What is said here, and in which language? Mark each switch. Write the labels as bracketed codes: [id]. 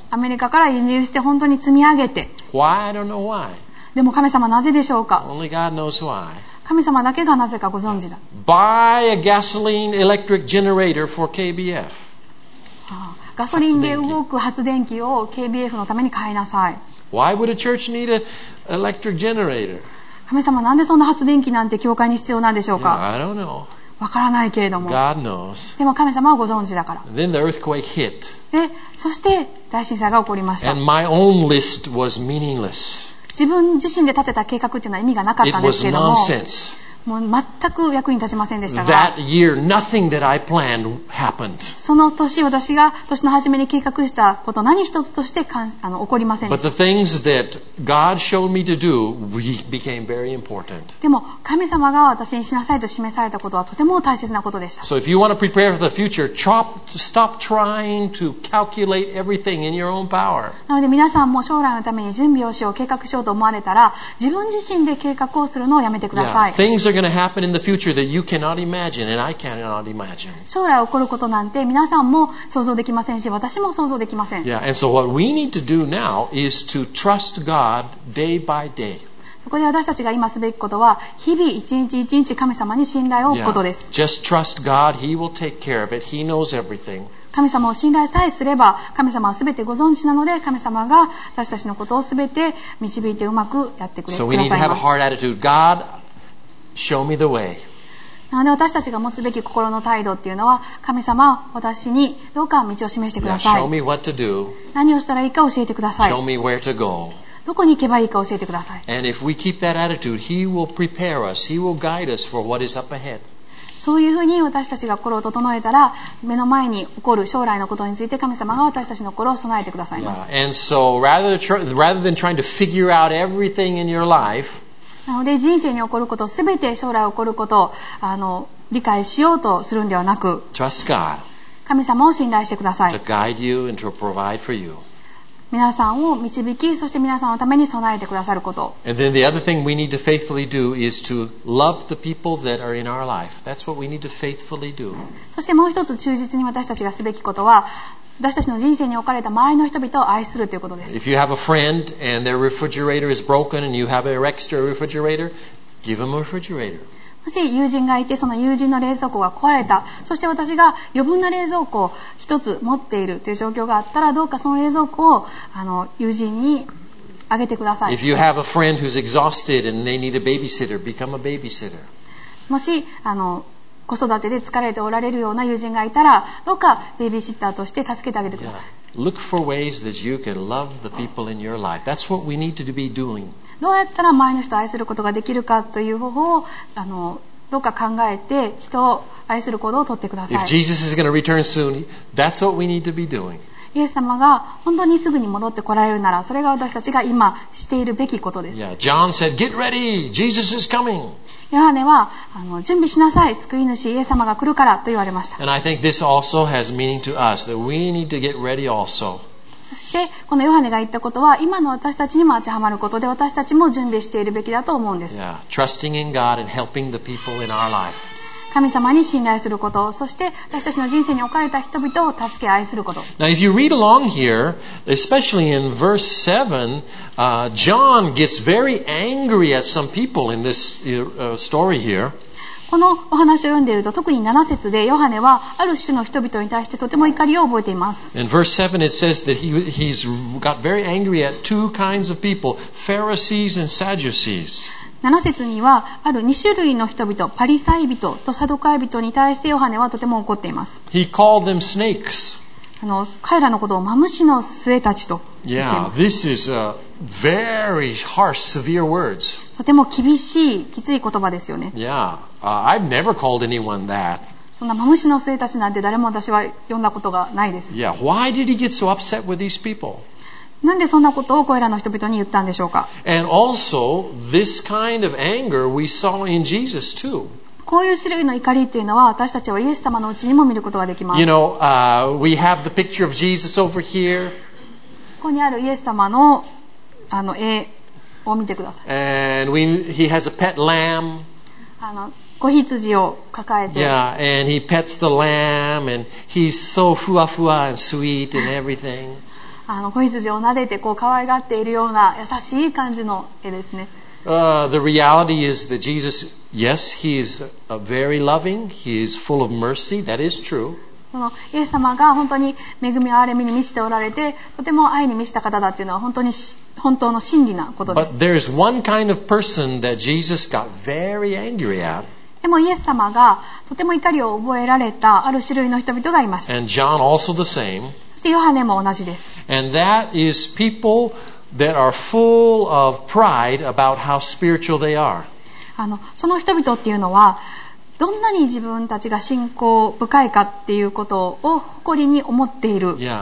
[ja] アメリカから輸入して本当に積み上げて。 [en] Why? I don't know why. [ja] でも神様なぜでしょうか。 [en] Only God knows why. [ja] 神様だけがなぜかご存知だ。 [en] Buy a gasoline electric generator for KBF. [ja] ガソリンで動く発電機を KBF のために買いなさい。 [en] Why would a church need an electric generator? [ja] 神様なんでそんな発電機なんて教会に必要なんでしょうか。 [en] yeah, I don't know. [ja] 分からないけれども [en] God knows. [ja] でも神様はご存知だから。 [en] Then the earthquake hit. [ja] でそして大震災が起こりました。 [en] And my own list was meaningless. [ja] 自分自身で立てた計画というのは意味がなかったんですけれども、 [en] It was nonsense. [ja] もう全く役に立ちませんでしたが、 [en] That year, nothing that I planned happened. [ja] その年私が年の初めに計画したこと何一つとして起こりませんでした。 [en] But the things that God showed me to do became very important. [ja] でも神様が私にしなさいと示されたことはとても大切なことでした。 [en] So if you want to prepare for the future, stop trying to calculate everything in your own power. [ja] なので皆さんも将来のために準備をしよう計画しようと思われたら自分自身で計画をするのをやめてください。 [en] Now, things are going to happen in the future that you cannot imagine and I cannot imagine. [ja] 将来起こることなんて皆さんも想像できませんし私も想像できません。 [en] Yeah, and so what we need to do now is to trust God day by day. [ja] そこで私たちが今すべきことは日々一日一日神様に信頼を置くことです。 [en] Yeah, just trust God. He will take care of it. He knows everything. [ja] 神様を信頼さえすれば神様はすべてご存知なので神様が私たちのことをすべて導いてうまくやってくれ、 [en] so、we need to have a hard attitude. GodShow me the way. [ja] なので私たちが持つべき心の態度っていうのは神様私にどうか道を示してください。 [en] Yeah, show me what to do. [ja] 何をしたらいいか教えてください。 [en] Show me where to go. [ja] どこに行けばいいか教えてください。 [en] And if we keep that attitude, he will prepare us. He will guide us for what is up ahead. [ja] そういうふうに私たちが心を整えたら目の前に起こる将来のことについて神様が私たちの心を備えてくださいます。 Yeah. [en] And so rather than trying to figure out everything in your life, [ja] なので人生に起こること、すべて将来起こることを理解しようとするんではなく、 [en] Trust God. [ja] 神様を信頼してください。 [en] To guide you and to provide for you. [ja] 皆さんを導き、そして皆さんのために備えてくださること。 [en] And then the other thing we need to faithfully do is to love the people that are in our life. That's what we need to faithfully do. [ja] そしてもう一つ忠実に私たちがすべきことは、私たちの人生に置かれた周りの人々を愛するということです。 [en] If you have a friend and their refrigerator is broken and you have an extra refrigerator, give them a refrigerator. [ja] もし友人がいてその友人の冷蔵庫が壊れた、そして私が余分な冷蔵庫を一つ持っているという状況があったら、どうかその冷蔵庫を友人にあげてください。 [en] If you have a friend who's exhausted and they need a babysitter, become a babysitter. [ja] もし子育てで疲れておられるような友人がいたらどうかベビーシッターとして助けてあげてください。 Yeah. [en] Look for ways that you can love the people in your life. That's what we need to be doing. [ja] どうやったら周りの人を愛することができるかという方法をどうか考えて人を愛する行動を取ってください。 [en] If Jesus is going to return soon, that's what we need to be doing. [ja] イエス様が本当にすぐに戻ってこられるならそれが私たちが今しているべきことです。 [en] Yeah. John said, get ready, Jesus is coming [ja] ヨハネは準備しなさい救い主イエス様が来るからと言われました。 [en] And I think this also has meaning to us, that we need to get ready also. [ja] そしてこのヨハネが言ったことは今の私たちにも当てはまることで私たちも準備しているべきだと思うんです。 [en] Yeah, trusting in God and helping the people in our life. [ja] 神様に信頼すること、そして私たちの人生に置かれた人々を助け愛すること。 [en] Now if you read along here, especially in verse 7,John gets very angry at some people in this story here. [ja] このお話を読んでいると、特に7節でヨハネはある種の人々に対してとても怒りを覚えています。 [en] In verse 7 it says that he's got very angry at two kinds of people, Pharisees and Sadducees. [ja] 7節にはある2種類の人々、パリサイ人とサドカイ人に対してヨハネはとても怒っています。 [en] He called them snakes. [ja] 彼らのことをマムシの末たちと言っています。 [en] Yeah, this is very harsh, severe words. [ja] とても厳しい、きつい言葉ですよね。 [en] Yeah, I've never called anyone that. [ja] そんなマムシの末たちなんて誰も私は呼んだことがないです。 [en] Yeah, why did he get so upset with these people? [ja] なんでそんなことをこれらの人々に言ったんでしょうか。 [en] And also, this kind of anger we saw in Jesus too. [ja] こういう種類の怒りというのは私たちはイエス様のうちにも見ることができます。 [en] You know, we have the picture of Jesus over here. [ja] ここにあるイエス様の絵を見てください。 [en] And he has a pet lamb. [ja] 子羊を抱えて。 [en] Yeah, and he pets the lamb and he's so ふわふわ and sweet and everything. [ja] 子羊を撫でてこう可愛がっているような優しい感じの絵ですね。 [en] The reality is that Jesus, yes, he is a very loving, he is full of mercy, that is true. [ja] そのイエス様が本当に恵みを憐れみに満ちておられてとても愛に満ちた方だというのは本当に本当の真理なことです。でもイエス様がとても怒りを覚えられたある種類の人々がいます。 [en] And John also the same. [ja] そしてヨハネも同じです。 [en] And that is people that are full of pride about how spiritual they are. [ja] その人々っていうのはどんなに自分たちが信仰深いかっていうことを誇りに思っている